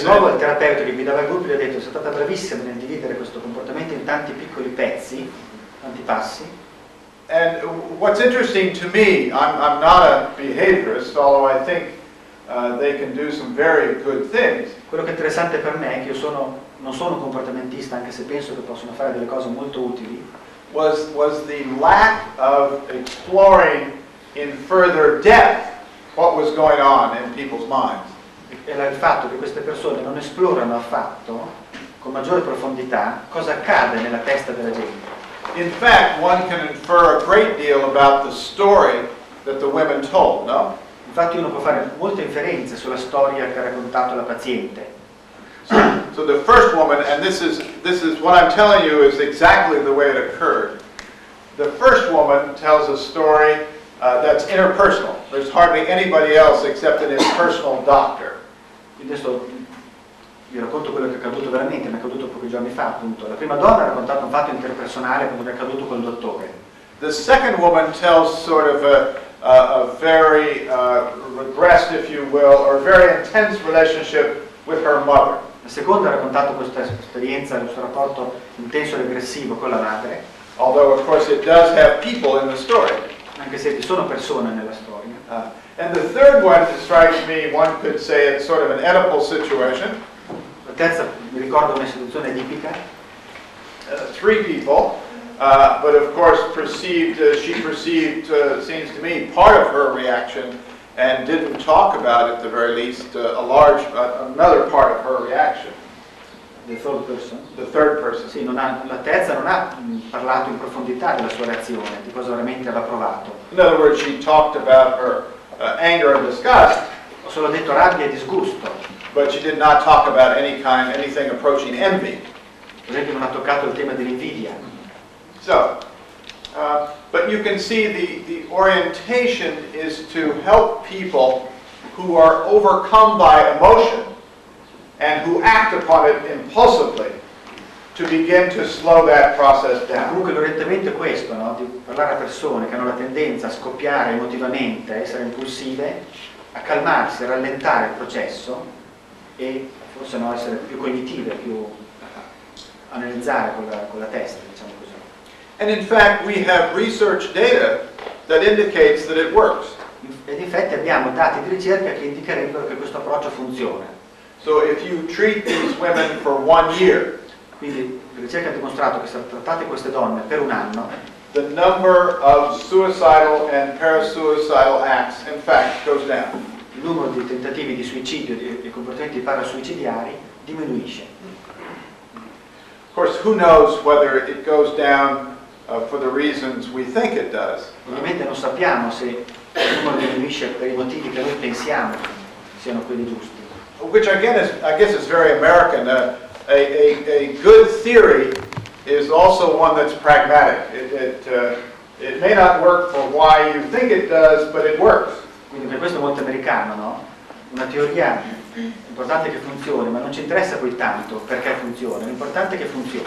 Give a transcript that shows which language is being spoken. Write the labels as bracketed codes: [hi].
[it] Di nuovo il terapeuta che guidava il gruppo gli ha detto sei stata bravissima nel dividere questo comportamento in tanti piccoli pezzi, tanti passi. [en] And what's interesting to me, I'm not a behaviorist, although I think they can do some very good things. [it] Quello che è interessante per me è che io sono non sono un comportamentista, anche se penso che possono fare delle cose molto utili. [en] Was the lack of exploring in further depth what was going on in people's minds. [it] Era il fatto che queste persone non esplorano affatto con maggiore profondità cosa accade nella testa della gente. [en] In fact, one can infer a great deal about the story that the women told, no? [it] Infatti uno può fare molte inferenze sulla storia che ha raccontato la paziente. [en] So the first woman, and this is what I'm telling you is exactly the way it occurred. The first woman tells a story that's interpersonal. There's hardly anybody else except an impersonal doctor. [it] Vi racconto quello che è accaduto veramente, mi è accaduto pochi giorni fa, appunto. La prima donna ha raccontato un fatto interpersonale come è accaduto col dottore. [en] The second woman tells sort of a very regressed, if you will, or very intense relationship with her mother. [it] La seconda ha raccontato questa esperienza, questo rapporto intenso e aggressivo con la madre. [en] Although, of course, it does have people in the story. [it] Anche se ci sono persone nella storia. [en] And the third one strikes me, one could say it's sort of an Oedipal situation. [it] Terza, mi ricordo una situazione tipica. [en] Three people, but of course perceived, she perceived, seems to me, part of her reaction and didn't talk about at the very least, another part of her reaction. The third person. [it] Sì, la terza non ha parlato in profondità della sua reazione, di cosa veramente aveva provato. [en] In other words, she talked about her anger and disgust. [it] Ho solo detto rabbia e disgusto. [en] But she did not talk about anything approaching envy. [it] Non ha toccato il tema dell'invidia. [en] So, but you can see the orientation is to help people who are overcome by emotion and who act upon it impulsively to begin to slow that process down. [it] Comunque l'orientamento è questo, no? Di parlare a persone che hanno la tendenza a scoppiare emotivamente, a essere impulsive, a calmarsi, a rallentare il processo. E forse no, essere più cognitive, più analizzare con la testa, diciamo così. [en] And in fact we have research data that indicates that it works. [it] Ed infatti abbiamo dati di ricerca che indicherebbero che questo approccio funziona. [en] So if you treat these women for one year, [it] quindi la ricerca ha dimostrato che se trattate queste donne per un anno, [en] the number of suicidal and parasuicidal acts in fact goes down. [it] Il numero di tentativi di suicidio e di comportamenti parasuicidiari diminuisce. [en] Of course, who knows whether it goes down for the reasons we think it does. [it] Ovviamente non sappiamo se il numero diminuisce per i motivi che noi pensiamo siano quelli giusti. [en] Which again is, I guess, is very American. A good theory is also one that's pragmatic. It may not work for why you think it does, but it works. [it] Quindi per questo è molto americano, no? Una teoria importante che funzioni, ma non ci interessa poi tanto perché funziona, l'importante è che funzioni.